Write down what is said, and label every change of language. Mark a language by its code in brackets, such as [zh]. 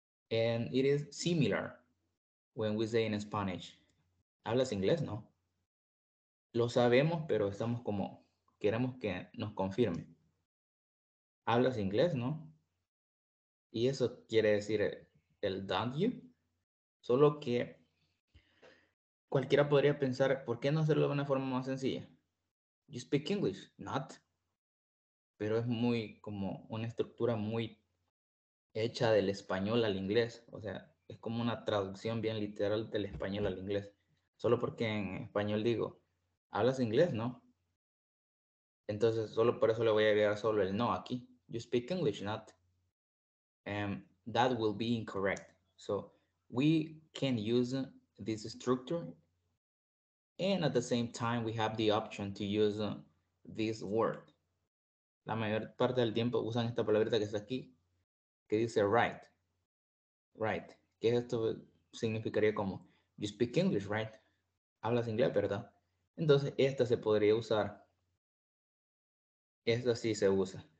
[en] And it is similar when we say in Spanish. [es] ¿Hablas inglés, no? Lo sabemos, pero estamos como, queremos que nos confirme. ¿Hablas inglés, no? Y eso quiere decir el [en] don't you. [es] Solo que cualquiera podría pensar, ¿por qué no hacerlo de una forma más sencilla? [en] You speak English, not. [es] Pero es muy como una estructura muy hecha del español al inglés. O sea, es como una traducción bien literal del español al inglés. Solo porque en español digo, ¿hablas inglés, no? Entonces, solo por eso le voy a agregar solo el no aquí. [en] You speak English, not. That will be incorrect. So we can use this structure. And at the same time, we have the option to use this word. [es] La mayor parte del tiempo usan esta palabrita que está aquí, que dice right. [en] Right. [es] ¿Qué esto significaría como? [en] You speak English, right? [es] Hablas inglés, ¿verdad? Entonces, esta se podría usar. Esta sí se usa.